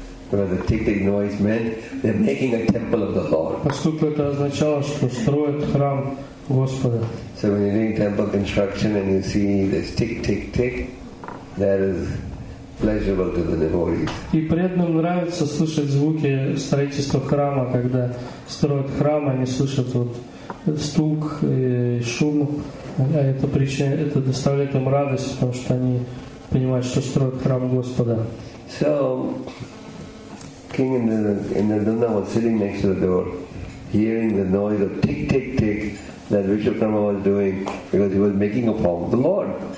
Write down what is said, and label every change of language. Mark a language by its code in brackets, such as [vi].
[en] The tick-tick noise meant they're making a temple of the Lord. [ru] Поскольку это означало, что строят храм Господа. [en] So when you're doing temple construction and you see this tick, tick, tick, that is pleasurable to the devotees. [ru] И преданным нравится слышать звуки строительства храма, когда строят храм, они слышат вот стук и шум. Это причина, это доставляет им радость, потому что они понимают, что строят храм Господа. [en] So, king in the Nanda was sitting next to the door, hearing the noise of tick tick tick that Vishwakarma was doing because he was making a form of the Lord.